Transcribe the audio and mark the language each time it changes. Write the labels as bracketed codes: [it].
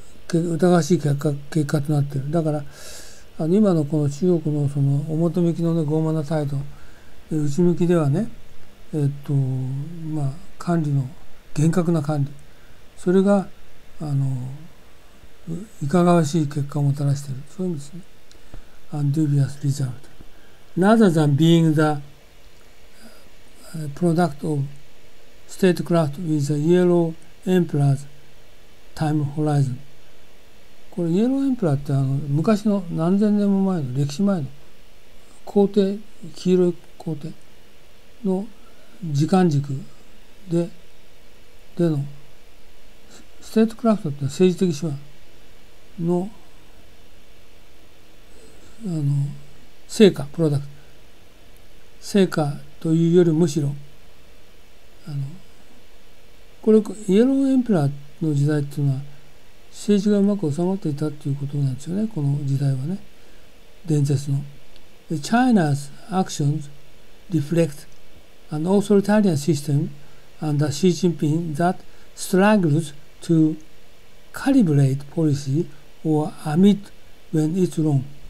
[ja] 疑わしい結果となっている。だから、今のこの中国のその、表向きのね、傲慢な態度、内向きではね、まあ、管理の厳格な管理、それがいかがわしい結果をもたらしている、そういう意味ですね。 [en] Undubious result rather than being the product of statecraft with the Yellow Emperor's time horizon。 [ja] これ Yellow Emperor って昔の何千年も前の歴史前の皇帝、黄色い皇帝の時間軸で、での、ステートクラフトって政治的手腕の、成果、プロダクト。成果というよりむしろ、これ、イエローエンペラーの時代っていうのは、政治がうまく収まっていたっていうことなんですよね、この時代はね。伝説の。 [en] China's actions reflect an authoritarian system under Xi Jinping that struggles to calibrate policy or admit when it's wrong。